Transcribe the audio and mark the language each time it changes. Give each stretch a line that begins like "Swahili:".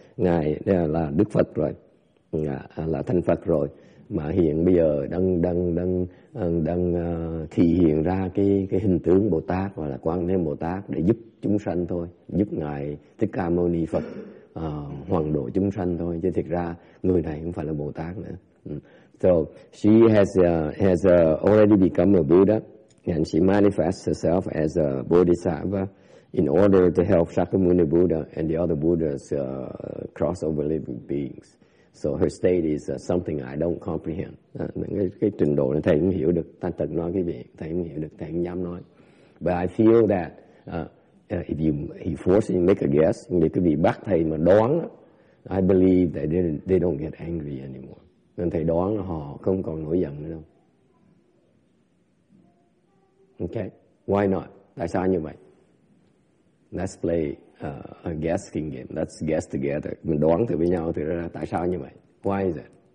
Vietnamese: Ngài là Đức Phật rồi. Là thành Phật rồi mà hiện bây giờ đang thì hiện ra cái hình tướng Bồ Tát hoặc là Quán Thế Bồ Tát để giúp chúng sanh thôi, giúp ngài Thích Ca Mâu Ni Phật hoàng độ chúng sanh thôi, chứ thiệt ra người này không phải là Bồ Tát nữa.
English: So she has already become a Buddha and she manifests herself as a Bodhisattva in order to help Shakyamuni Buddha and the other Buddhas cross over living beings. So her state is something I don't comprehend.
Vietnamese: Cái trình độ này thầy không hiểu được. Thành thật nói cái việc thầy không hiểu được, thầy không dám nói.
English: But I feel that if you force me to make a guess,
Vietnamese: nếu quý vị bắt thầy mà đoán,
English: I believe that they don't get angry anymore.
Vietnamese: Nên thầy đoán là họ không còn nổi giận nữa đâu.
English: Okay, why not?
Vietnamese: Tại sao như vậy?
English: Let's play a guessing game. Let's guess together.
Vietnamese: Mình đoán thử với nhau thử ra tại sao như vậy.
English: Why is it?